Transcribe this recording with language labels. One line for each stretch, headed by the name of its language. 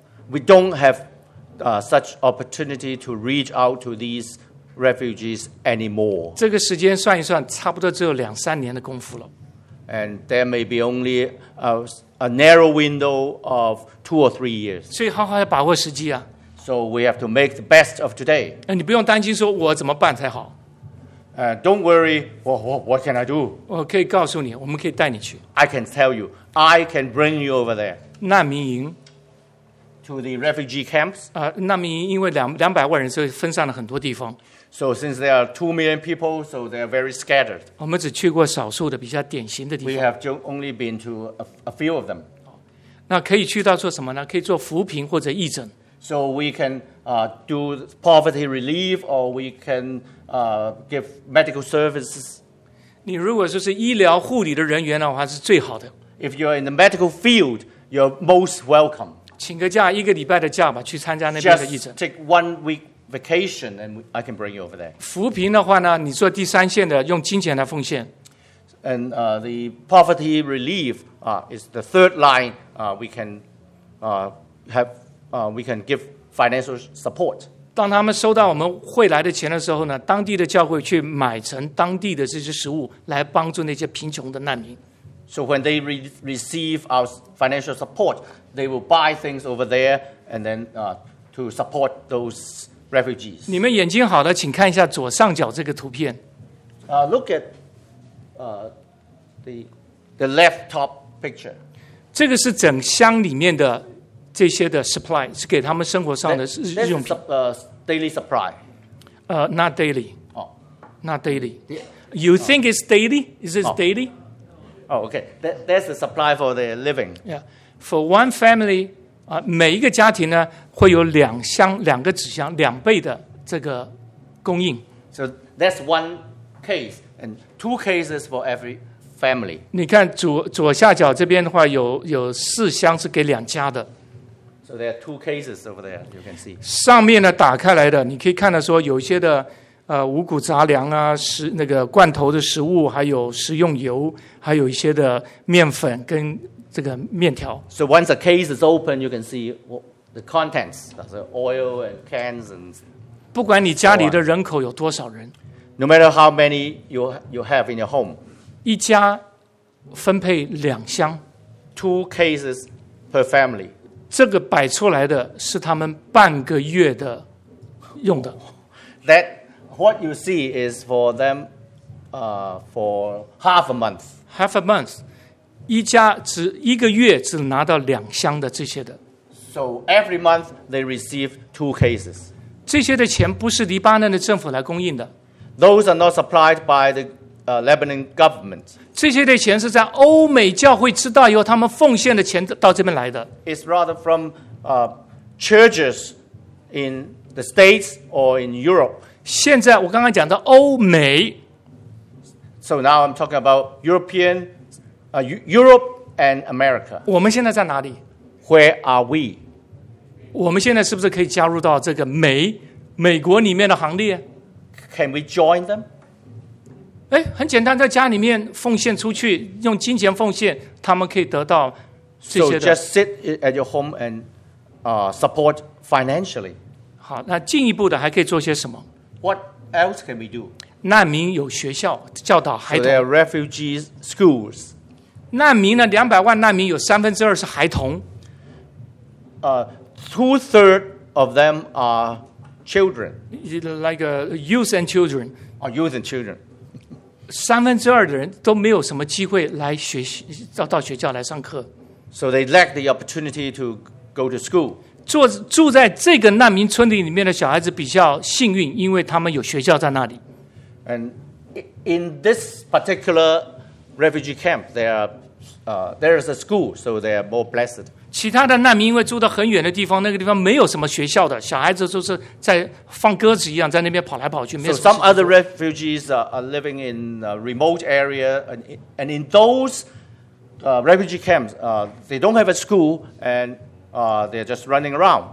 English: We don't have such opportunity to reach out to these refugees anymore.
Chinese: 这个时间算一算，差不多只有两三年的功夫了。
English: And there may be only a narrow window of 2 or 3 years.
Chinese: 所以好好要把握时机啊。
English: So we have to make the best of today.
Chinese: 你不用担心说我怎么办才好。
English: Don't worry. What can I do?
Chinese: 我可以告诉你，我们可以带你去。
English: I can tell you. I can bring you over there.
Chinese: 难民营
English: to the refugee camps.
Chinese: 难民营因为200万人，所以分散了很多地方。
English: So since there are 2 million people, so they are very scattered.
Chinese: 我们只去过少数的比较典型的地方。
English: We have only been to a few of them.
Chinese: 那可以去到做什么呢？可以做扶贫或者义诊。
English: So we can do poverty relief, or we can give medical services.
Chinese: 你如果就是医疗护理的人员的话，是最好的。
English: If you're in the medical field, you're most welcome.
Chinese: 请个假，一个礼拜的假吧，去参加那边的义诊。
English: Just take 1 week vacation, and I can bring you over there.
Chinese: 扶贫的话呢，你做第三线的，用金钱来奉献。
English: And the poverty relief is the third line. We can give financial support.
Chinese: 当他们收到我们汇来的钱的时候呢，当地的教会去买成当地的这些食物，来帮助那些贫穷的难民。
English: So when they receive our financial support, they will buy things over there and then to support those refugees.
Chinese: 你们眼睛好的，请看一下左上角这个图片。
English: Look at the left top picture.
Chinese: 这个是整箱里面的。这些的 supply 是给他们生活上的日用品。
English: Daily supply. Not daily. Oh. Not daily. You think it's daily? Is it daily? Oh, okay. That's the supply for their living. Yeah. For one family,
Chinese: 每一个家庭呢会有两箱两个纸箱两倍的这个供应。
English: So that's one case, and two cases for every family.
Chinese: 你看左下角这边的话有四箱是给两家的。
English: So there are two cases over there, you can see.
Chinese: 上面呢打开来的，你可以看到说有一些的五谷杂粮啊，那个罐头的食物，还有食用油，还有一些的面粉跟这个面条。
English: So once the case is open, you can see the contents, the oil and cans and.
Chinese: 不管你家里的人口有多少人。
English: No matter how many you have in your home,
Chinese: 一家分配两箱
English: ，two cases per family.
Chinese: 这个摆出来的是他们半个月的用的。
English: That what you see is for them, for half a month. Half a month,
Chinese: 一家只一个月只拿到两箱的这些的。
English: So every month they receive two cases.
Chinese: 这些的钱不是黎巴嫩的政府来供应的。
English: Those are not supplied by the Lebanon government.
Chinese: 这些的钱是在欧美教会知道以后，他们奉献的钱到这边来的。
English: It's rather from churches in the States or in Europe.
Chinese: 现在我刚刚讲到欧美。
English: So now I'm talking about European, Europe and America.
Chinese: 我们现在在哪里
English: ？Where are we?
Chinese: 我们现在是不是可以加入到这个美国里面的行列？
English: Can we join them?
Chinese: 哎，很简单，在家里面奉献出去，用金钱奉献，他们可以得到这些的。
English: So just sit at your home and support financially.
Chinese: 好，那进一步的还可以做些什么
English: ？What else can we do?
Chinese: 难民有学校教导孩童。
English: So there are refugee schools.
Chinese: 难民呢？两百万难民有三分之二是孩童。
English: 2/3 of them are. Children, like youth and children, or youth and children.
Chinese: 三分之二的人都没有什么机会来学习，到学校来上课。
English: So they lack the opportunity to go to school.
Chinese: 住在这个难民村里面的小孩子比较幸运，因为他们有学校在那里。
English: And in this particular refugee camp, there is a school, so they are more blessed.
Chinese: 其他的难民因为住到很远的地方，那个地方没有什么学校的，小孩子就是在放鸽子一样在那边跑来跑去，没有什么。
English: So some other refugees are living in a remote area, and in those refugee camps, they don't have a school, and they're just running around.